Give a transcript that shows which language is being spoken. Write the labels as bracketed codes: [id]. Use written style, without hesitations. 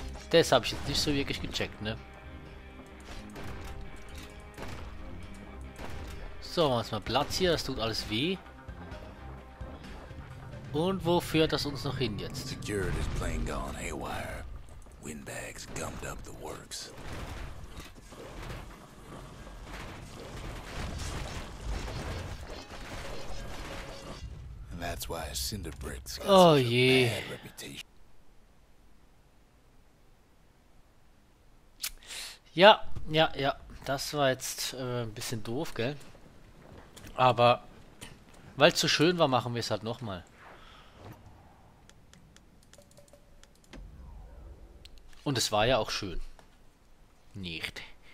[de] Das habe ich jetzt nicht so wirklich gecheckt, ne? So, jetzt mal Platz hier, das tut alles weh. Und wo führt das uns noch hin jetzt? [en] Security is plain gone haywire. Windbags gummed up the works. That's why Cinderbricks got such a bad reputation. [de] Ja, das war jetzt ein bisschen doof, gell? Aber weil es so schön war, machen wir es halt nochmal. Und es war ja auch schön. Nicht. Nee.